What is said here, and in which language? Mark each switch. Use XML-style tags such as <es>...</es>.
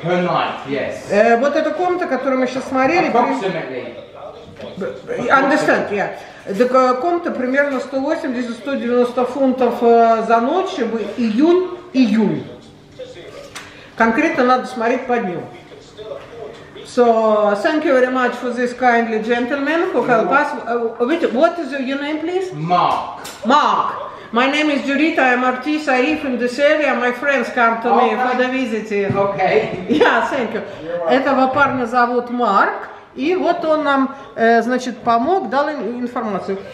<en>Per night, yes.</en> <ru>Вот эта комната, которую мы сейчас смотрели.</ru> <en>Approximately. Understand, yeah. The</en> <ru>комната примерно 180-190 фунтов за ночь в июнь-июль. Конкретно надо смотреть по дню.</ru> <en>So, thank you very much for this kindly gentleman who helped us. What is your name, please? Mark. Mark. My name is Jurita. I'm artist. I live in this area. My friends come to me for the visiting. Okay. Yeah, thank you.</en> <ru>Этого парня зовут Марк. И вот он нам, значит, помог, дал информацию.</ru>